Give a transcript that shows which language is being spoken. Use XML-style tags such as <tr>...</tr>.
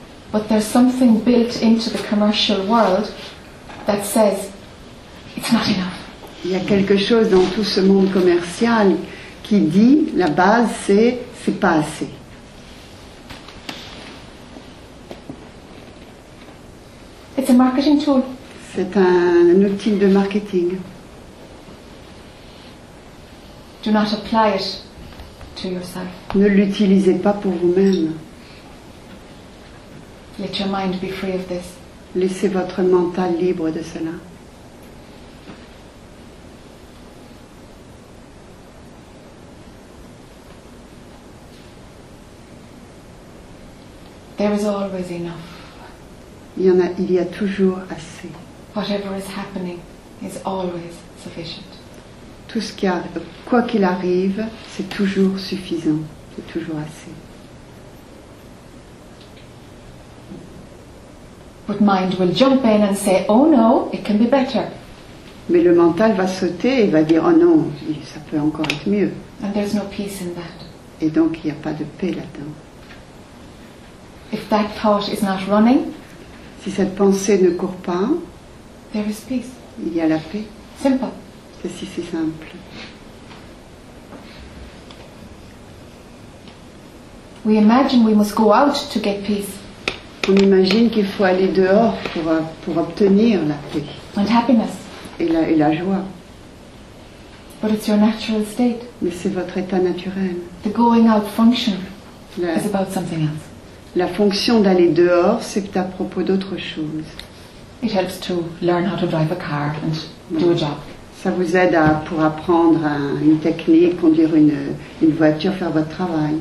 <en>But there's something built into the commercial world that says it's not enough.</en> <fr>Il y a quelque chose dans tout ce monde commercial qui dit la base c'est pas assez.</fr> <en>a marketing tool.</en> <fr>C'est un outil de marketing.</fr> <en>Do not apply it to yourself.</en> <fr>Ne l'utilisez pas pour vous-même.</fr> <en>Let your mind be free of this.</en> <fr>Laissez votre mental libre de cela.</fr> <en>There is always enough.</en> <fr>Il y a toujours assez.</fr> <en>Whatever is happening is always sufficient.</en> <fr>Tout ce qui a, quoi qu'il arrive, c'est toujours suffisant, c'est toujours assez.</fr> <en>But mind will jump in and say, "Oh no, it can be better."</en> <fr>Mais le mental va sauter et va dire, "Oh non, ça peut encore être mieux."</fr> <en>And there's no peace in that.</en> <fr>Et donc il n'y a pas de paix là-dedans.</fr> <en>If that thought is not running,</en> <fr>si cette pensée ne court pas,</fr> <en>there is peace.</en> <fr>Il y a la paix.</fr> <en>Simple.</en> <fr>C'est si simple.</fr> <en>We imagine we must go out to get peace.</en> <fr>On imagine qu'il faut aller dehors pour obtenir la paix.</fr> <en>And happiness.</en> <fr>Et la joie.</fr> <en>But it's your natural state.</en> <fr>Mais c'est votre état naturel.</fr> <en>The going out function is about something else.</en> <fr>La fonction d'aller dehors, c'est à propos d'autre chose.</fr> <en>It helps to learn how to drive a car and do a job.</en> <fr>Ça vous aide pour apprendre une technique, conduire une voiture, faire votre travail.</fr>